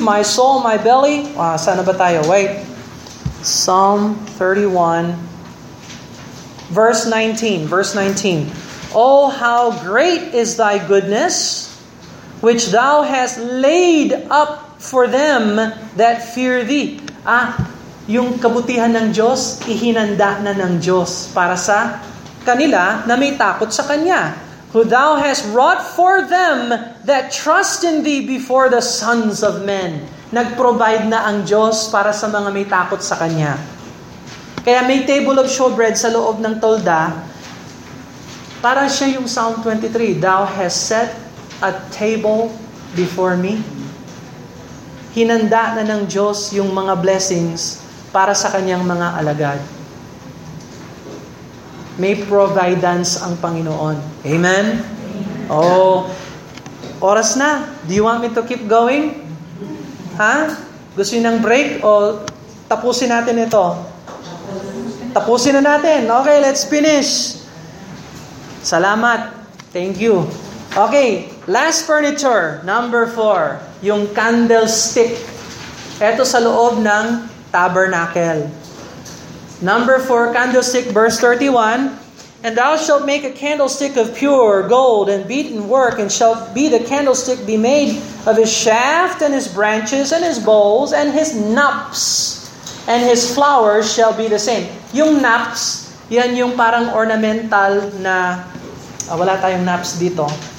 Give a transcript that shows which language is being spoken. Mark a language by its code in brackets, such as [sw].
[en] My soul, my belly. Wow, [tl] sana ba tayo? [en] Wait. Psalm 31 verse 19. Verse 19. Oh, how great is thy goodness, which thou hast laid up for them that fear thee. [tl] Ah, yung kabutihan ng Diyos, ihinanda na ng Diyos para sa kanila na may takot sa Kanya. [en] Who thou hast wrought for them that trust in thee before the sons of men. [tl] Nag-provide na ang Diyos para sa mga may takot sa Kanya. Kaya may table of showbread sa loob ng tolda. Para siya yung Psalm 23. [en] Thou hast set a table before me. [tl] Hinanda na ng Diyos yung mga blessings para sa kanyang mga alagad. May providence ang Panginoon. Amen? [en] Amen. [tl] Oh, oras na. [en] Do you want me to keep going? Ha? [tl] Gusto niyo ng break o tapusin natin ito? Tapusin na natin. [en] Okay, let's finish. [tl] Salamat. [en] Thank you. Okay, last furniture, number 4, yung candlestick. [tl] Ito sa loob ng tabernacle. [en] Number 4, candlestick, verse 31. And thou shalt make a candlestick of pure gold and beaten work, and shall be the candlestick be made of his shaft and his branches and his bowls and his knops, and his flowers shall be the same. [tl] Yung knops, yan yung parang ornamental na, wala tayong knops dito.